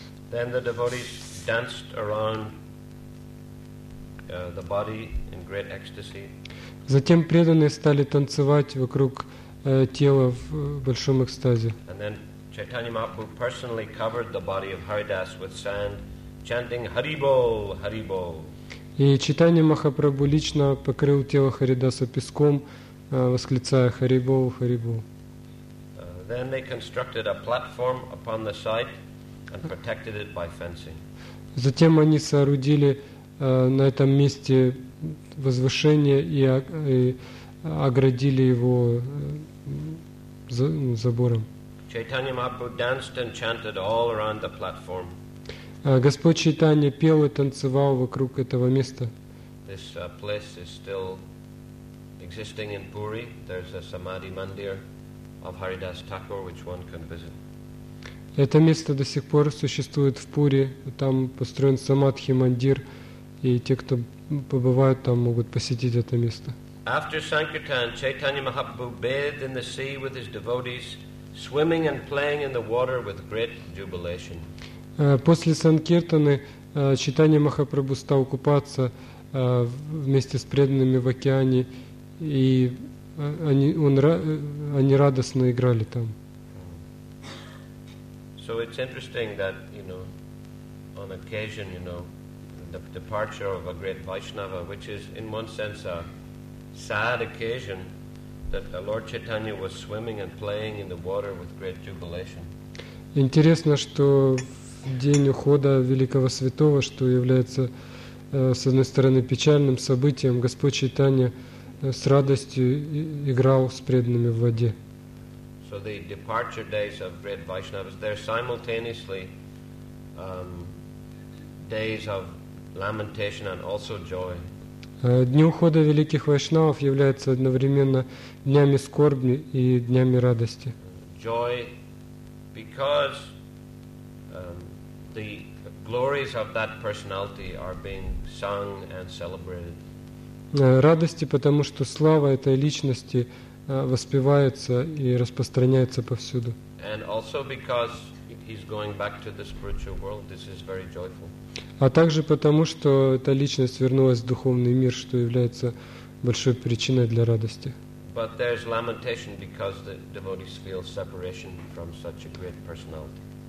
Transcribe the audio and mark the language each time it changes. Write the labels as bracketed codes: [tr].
[en] Then the devotees danced around the body in great ecstasy. [ru] Затем преданные стали танцевать вокруг тела в большом экстазе. [en] And then Chaitanya Mahaprabhu personally covered the body of Haridas with sand, chanting Haribol, Haribol. [ru] И Чайтанья Махапрабху лично покрыл тело Харидаса песком, восклицая Харибол, Харибол. [en] Then they constructed a platform upon the site and protected it by fencing. [ru] Затем они соорудили на этом месте возвышение и оградили его забором. [en] Chaitanya Mahaprabhu danced and chanted all around the platform. [ru] Господь Чайтанья пел и танцевал вокруг этого места. [en] This place is still existing in Puri. There's a Samadhi Mandir of Haridas Thakur, which one can visit. [ru] Это место до сих пор существует в Пури. Там построен Самадхи Мандир, и те, кто побывают там, могут посетить это место. [en] After Sankirtan, Chaitanya Mahaprabhu bathed in the sea with his devotees, swimming and playing in the water with great jubilation. [ru] После Санкиртаны Чайтанья Махапрабху стал купаться вместе с преданными в океане, и они радостно играли там. [en] So it's interesting that, you know, on occasion, you know, the departure of a great Vaishnava, which is in one sense a sad occasion, that Lord Chaitanya was swimming and playing in the water with great jubilation. [ru] Интересно, что в день ухода великого святого, что является с одной стороны печальным событием, Господь Чайтанья с радостью играл с преданными в воде. [en] So the departure days of great Vaishnavas, they're simultaneously days of lamentation and also joy. [ru] Дни ухода великих вайшнавов являются одновременно днями скорби и днями радости. [en] Joy, because the glories of that personality are being sung and celebrated. [ru] радости, потому что слава этой личности воспевается и распространяется повсюду. [en] And also because he's going back to the spiritual world, this is very joyful. [ru] А также потому, что эта личность вернулась в духовный мир, что является большой причиной для радости. [en] But there's lamentation because the devotees feel separation from such a great personality.